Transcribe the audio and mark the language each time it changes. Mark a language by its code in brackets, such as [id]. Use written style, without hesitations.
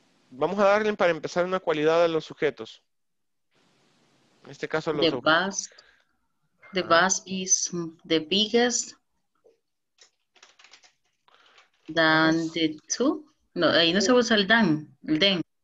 [es] Vamos a darle para empezar una cualidad a los sujetos. En este caso, los [en] bus. The bus is the biggest than the two. [es] No, ahí no se usa el dan, el den.